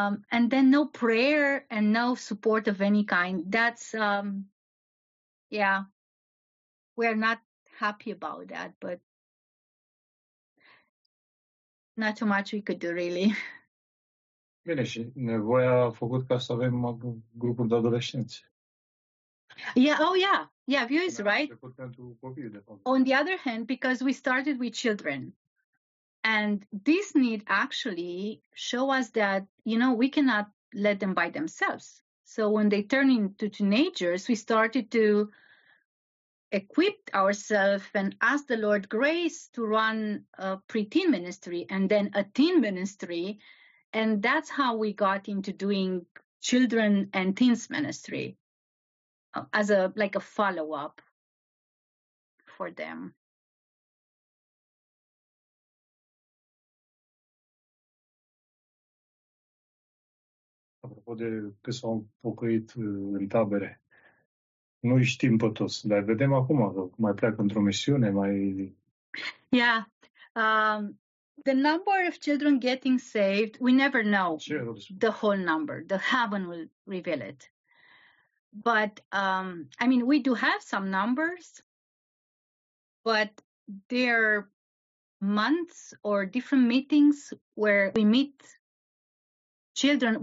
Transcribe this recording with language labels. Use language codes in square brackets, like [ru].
[en] and then no prayer and no support of any kind. That's, yeah, we're not happy about that, but not too much we could do, really. [ro] Bine, și nevoia a făcut ca să avem grupul de adolescenți. [en] Yeah, oh yeah. Yeah, Vio is right. On the other hand, because we started with children. And this need actually show us that, you know, we cannot let them by themselves. So when they turn into teenagers, we started to equip ourselves and ask the Lord grace to run a preteen ministry and then a teen ministry. And that's how we got into doing children and teens ministry. As a like a follow-up for them. [ro] Apropo de că s-au pocăit în tabere, nu îi știm pe toți, dar vedem acum că mai pleacă într-o misiune, mai... [en] Yeah, The number of children getting saved, we never know the whole number. The heaven will reveal it. But, I mean, we do have some numbers, but there are months or different meetings where we meet children.